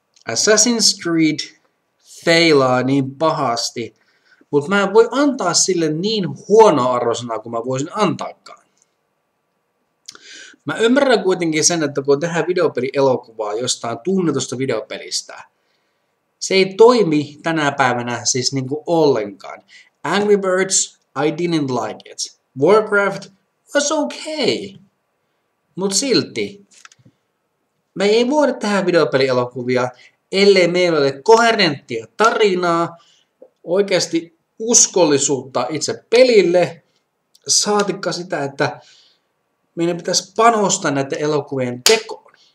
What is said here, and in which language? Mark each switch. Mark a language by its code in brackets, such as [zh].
[fi] Assassin's Creed feilaa niin pahasti, mutta mä en voi antaa sille niin huono arvosanaa kuin mä voisin antaakaan. Mä ymmärrän kuitenkin sen, että kun tehdään videopelielokuvaa jostain tunnetusta videopelistä, se ei toimi tänä päivänä siis niinku ollenkaan. [en] Angry Birds, I didn't like it. Warcraft was okay. [fi] Mut silti, me ei voida tehdä videopelielokuvia, ellei meillä ole koherenttia tarinaa, oikeasti uskollisuutta itse pelille, saatikka sitä, että meidän pitäisi panostaa näiden elokuvien tekoon.